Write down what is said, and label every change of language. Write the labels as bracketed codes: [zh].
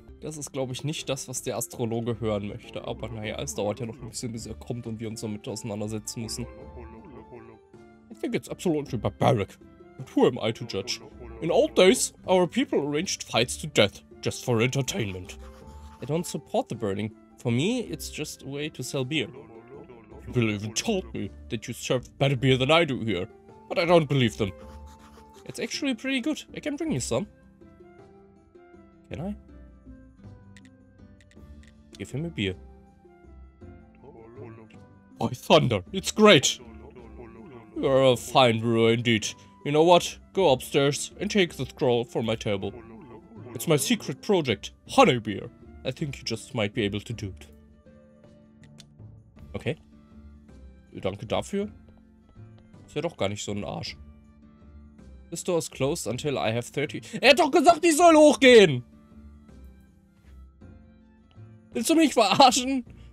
[de] Das ist, glaube ich, nicht das, was der Astrologe hören möchte. Aber naja, es dauert ja noch ein bisschen, bis er kommt und wir uns damit auseinandersetzen müssen. [en] I think it's absolutely barbaric. But who am I to judge? In old days, our people arranged fights to death, just for entertainment. I don't support the burning. For me, it's just a way to sell beer. People even told me that you serve better beer than I do here. But I don't believe them. It's actually pretty good. I can bring you some. Can I? Give him a beer. By thunder, it's great. You're a fine brewer indeed. You know what? Go upstairs and take the scroll from my table. It's my secret project, honey beer. I think you just might be able to do it. [de] Okay. Danke dafür. Ist ja doch gar nicht so ein Arsch. [en] This door is closed until I have 30... [de] Er hat doch gesagt, ich soll hochgehen! Willst du mich verarschen?